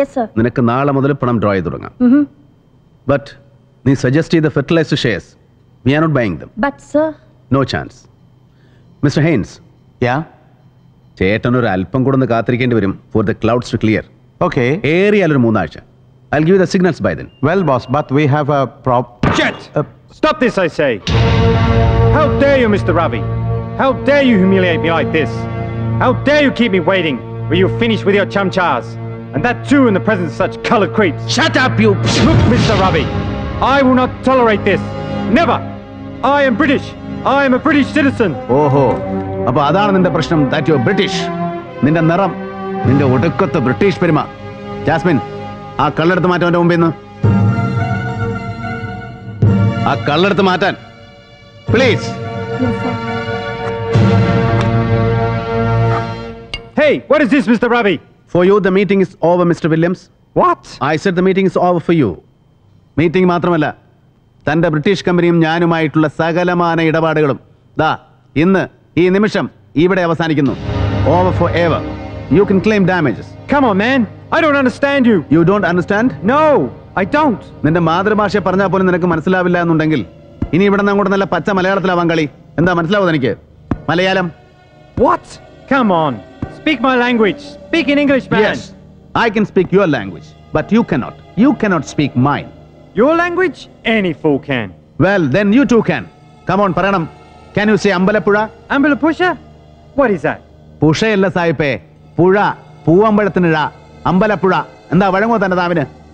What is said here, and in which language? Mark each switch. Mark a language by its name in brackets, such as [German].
[English] Yes sir. [Malayalam] നിനക്ക് നാളെ മുതൽ പണം ഡ്രോ ചെയ്ത് തുടങ്ങാം. [English] But നീ suggest ചെയ്ത fertiliser shares we are not buying them. But sir, no chance. Mister Heinz, yeah, [Malayalam] ചേട്ടൻ ഒരു അല്പം കൂടെ ഒന്ന് കാത്തിരിക്കേണ്ടി വരും [English] For the clouds to clear. Okay, [Malayalam] ഏറിയാൽ ഒരു 3 ആഴ്ച. [English] I'll give you the signals by then. Well, boss, but we have a problem. Shit! Stop this, I say! How dare you, Mr. Ravi? How dare you humiliate me like this? How dare you keep me waiting when you finish with your chamchas? And that too in the presence of such colored creeps. Shut up, you... Look, Mr. Ravi, I will not tolerate this. Never! I am British. I am a British citizen. Oho. [Malayalam] Appa adhaana ninte prashnam [English] that you're British. [Malayalam] Ninte naram. Ninte odukkatha British perima. Jasmine. ആ കള്ളെടുത്ത് മാറ്റാൻ മുമ്പേന്ന്, ആ കള്ളെടുത്ത് മാറ്റാൻ please. [English] Hey, what is this mister Ravi? For you the meeting is over mister Williams. What? I said the meeting is over for you. [Malayalam] Meeting മാത്രമല്ല, തന്റെ British കമ്പനിയും ഞാനുമായിട്ടുള്ള സകലമാന ഇടപാടുകളും ദാ ഇന്ന് ഈ നിമിഷം ഇവിടെ അവസാനിക്കുന്നു. [English] Over forever. You can claim damages. Come on man, I don't understand you. You don't understand? No, I don't. [Malayalam] നിന്റെ മാതൃഭാഷയെ പറഞ്ഞാൽ പോലും നിനക്ക് മനസ്സിലാവില്ല എന്നുണ്ടെങ്കിൽ ഇനി ഇവിടെ നിന്ന് അങ്ങോട്ട് നല്ല പച്ച മലയാളത്തിലാവാൻ കളി. എന്താ മനസ്സിലാവുന്നത് എനിക്ക്? Malayalam? [English] What? Come on. Speak my language. Speak in English, man. Yes, I can speak your language, but you cannot. You cannot speak mine. Your language? Any fool can. Well, then you too can. Come on, [Malayalam] പറയണം. [English] Can you say Ambalappuzha? Ambalappuzha? What is that? [Malayalam] പുഷയല്ല സായിപ്പേ, പുഴ, പൂവമ്പഴത്തിനിഴ. അമ്പലപ്പുഴ എന്താ വഴങ്ങോ തന്നെ താമിന്.